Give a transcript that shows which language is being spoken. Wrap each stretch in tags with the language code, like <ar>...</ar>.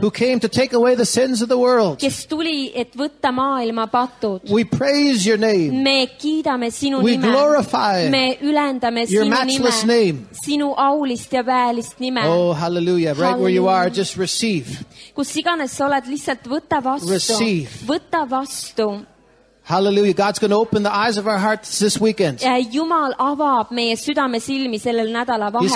<en>Who came to take away the sins of the world.</en> <et>Kes tuli, et võtta maailma patud.</et> <en>We praise your name.</en> <et>Me kiidame sinu</et> <en>we</en> <et>nime.</et> <en>Glorify</en> <et>me ülendame</et> <en>your</en> <et>sinu</et> <en>matchless</en> <et>nime.</et> <en>Name.</en> <et>Sinu aulist ja väelist nime.</et> <en>Oh, hallelujah. Right</en> <et>hallelujah.</et> <en>Where you are, just receive.</en> <et>Kus iganes sa oled, lihtsalt võtta vastu.</et> <en>Receive.</en> <et>Võtta vastu.</et> <en>Hallelujah. God's going to open the eyes of our hearts this weekend.</en> <et>Jumal avab meie südame silmi sellel nädala vahetusel.</et>